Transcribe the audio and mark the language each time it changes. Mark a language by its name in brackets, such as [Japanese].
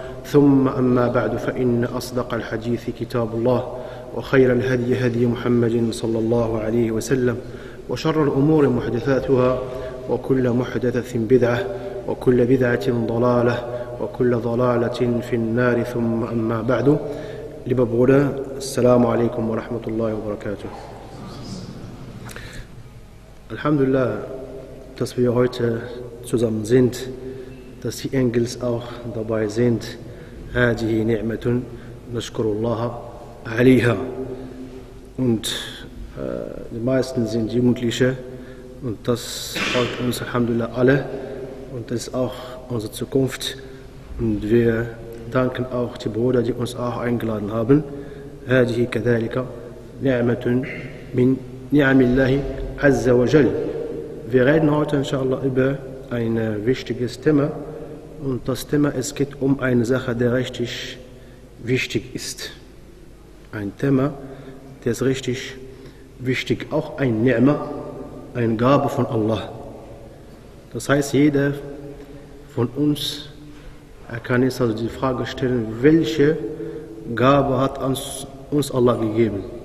[Arabic] ثم أما بعد، فإن أصدق الحديث كتاب الله، وخير الهدي هدي محمد صلى الله عليه وسلم، وشر الأمور محدثاتها، وكل محدثة بدعة، وكل بدعة ضلالة، وكل ضلالة في النار. ثم أما بعد، لببغلا، السلام عليكم ورحمة الله وبركاته. الحمد لله [German] dass wir heute zusammen sind, dass die Engels auch dabei sind. [Arabic] هذه نعمة نشكر الله عليها. [German] Und die meisten sind Jugendliche, und das freut uns alhamdulillah alle, und das ist auch unsere Zukunft. Und wir danken auch die Brüder, die uns auch eingeladen haben. [Arabic] هذه كذلك نعمة من نعم الله عز وجل. [German] Wir reden heute inshallah über ein wichtiges Thema. Und das Thema, es geht um eine Sache, die richtig wichtig ist. Ein Thema, der ist richtig wichtig. Auch ein Ni'ma, eine Gabe von Allah. Das heißt, jeder von uns, er kann jetzt also die Frage stellen, welche Gabe hat uns Allah gegeben?